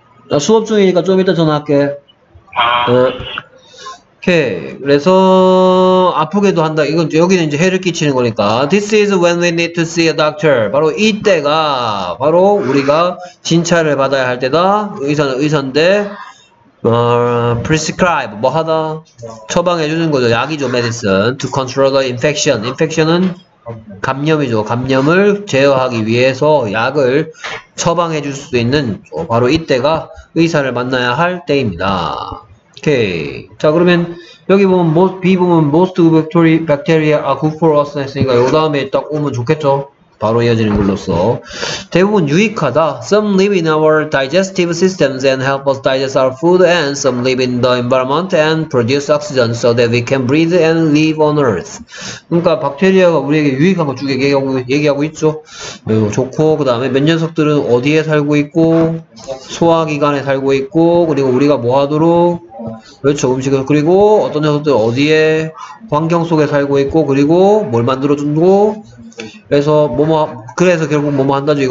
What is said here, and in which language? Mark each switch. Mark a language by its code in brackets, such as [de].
[ko] 나 수업 중이니까 좀 이따 전화할게. 오케이. 그래서 아프게도 한다. 이건 여기는 이제 해를 끼치는 거니까. [en] This is when we need to see a doctor. [ko] 바로 이때가 바로 우리가 진찰을 받아야 할 때다. 의사는 의사인데 prescribe 뭐 하다? 처방해 주는 거죠. 약이죠. [en] medicine to control the infection. infection은 [ko] 감염이죠. 감염을 제어하기 위해서 약을 처방해 줄 수 있는 바로 이때가 의사를 만나야 할 때입니다. 오케이. 자, 그러면 여기 보면 [en] most bacteria are good for us [ko] 했으니까 요 다음에 딱 오면 좋겠죠. 바로 이어지는 걸로써 대부분 유익하다. [en] Some live in our digestive systems and help us digest our food, and some live in the environment and produce oxygen so that we can breathe and live on earth. [ko] 그러니까 박테리아가 우리에게 유익한 거 쭉 얘기하고 있죠. 좋고, 그 다음에 몇 녀석들은 어디에 살고 있고, 소화기관에 살고 있고, 그리고 우리가 뭐 하도록, 그렇죠, 음식을, 그리고 어떤 녀석들 어디에 환경 속에 살고 있고, 그리고 뭘 만들어 준고, 그래서 그래서 결국 뭐뭐 한다죠.